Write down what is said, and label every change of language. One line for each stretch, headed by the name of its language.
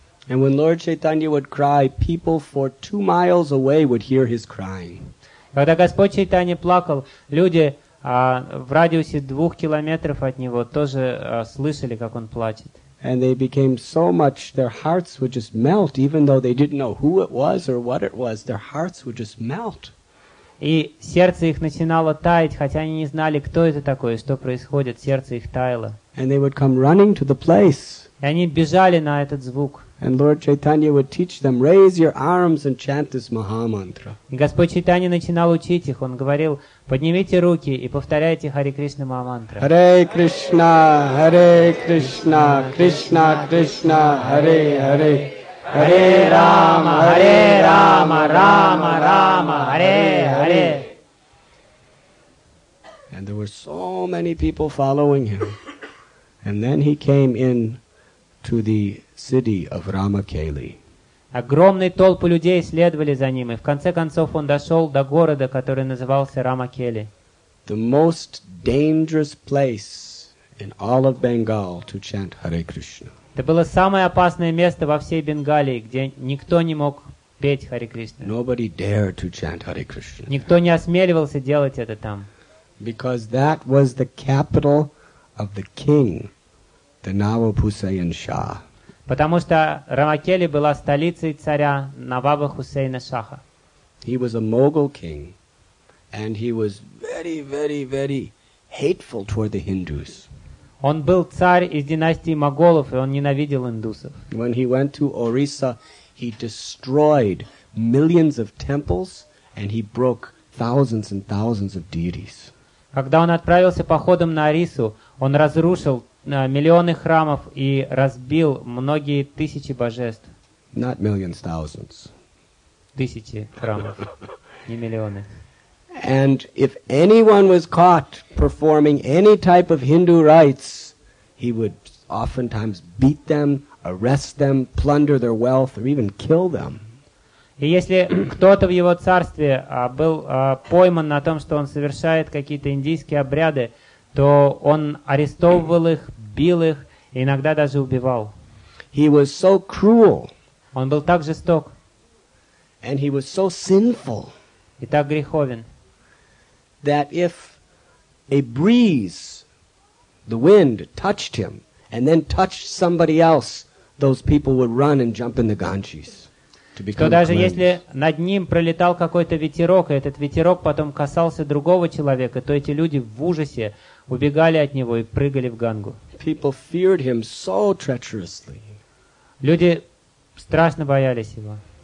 English: And when Lord Chaitanya would cry, people for 2 miles away would hear his crying.
Russian: Когда Господь Чайтанья плакал, люди в радиусе 2 километров от него тоже слышали, как он плачет.
English: And they became so much, their hearts would just melt, even though they didn't know who it was or what it was, their hearts would just melt.
Russian: И сердце их начинало таять, хотя они не знали, кто это такой, что происходит, сердце их таяло.
English: And they would come running to the place.
Russian: И они бежали на этот звук.
English: And Lord Chaitanya would teach them, raise your arms and chant this Maha Mantra.
Russian: И Господь Чайтанья начинал учить их, он говорил, поднимите руки и повторяйте Хари Кришна Маха Мантра.
Sanskrit: Hare Krishna, Hare Krishna, Krishna Krishna, Hare Hare. Hare Rama, Hare Rama, Rama Rama, Hare Hare.
English: And there were so many people following him. And then he came in to the city of Ramakeli.
Russian: Огромные толпы людей следовали за ним, и в конце концов он дошел до города, который назывался Рамакели.
English: The most dangerous place in all of Bengal to chant Hare Krishna.
Russian: Это было самое опасное место во всей Бенгалии, где никто не мог петь Хари Кришна.
English: Nobody dared to chant Hare Krishna.
Russian: Никто не осмеливался делать это там.
English: Because that was the capital of the king, the Nawab Hussain Shah.
Russian: Потому что Рамакели была столицей царя Наваба Хусейна Шаха.
English: He was a Mughal king, and he was very, very, very hateful toward the Hindus.
Russian: Он был царь из династии Моголов, и он ненавидел индусов.
English: When he went to Orissa, he destroyed millions of temples, and he broke thousands and thousands of deities.
Russian: Когда он отправился походом на Орису, он разрушил миллионы храмов и разбил многие тысячи божеств.
English: Not millions, thousands.
Russian: Тысячи храмов, не миллионы.
English: And if anyone was caught performing any type of Hindu rites, he would oftentimes beat them, arrest them, plunder their wealth, or even kill them.
Russian: И если кто-то в его царстве был пойман на том, что он совершает какие-то индийские обряды, то он арестовывал их, бил их, и иногда даже убивал.
English: He was so cruel.
Russian: Он был так жесток.
English: And he was so sinful.
Russian: И так греховен.
English: That if a breeze, the wind, touched him, and then touched somebody else, those people would run and jump in the Ganges to become cleansed.
Russian: Что даже если над ним пролетал какой-то ветерок, и этот ветерок потом касался другого человека, то эти люди в ужасе убегали от него и прыгали в Гангу.
English: People feared him so treacherously.
Russian: Люди страшно боялись его.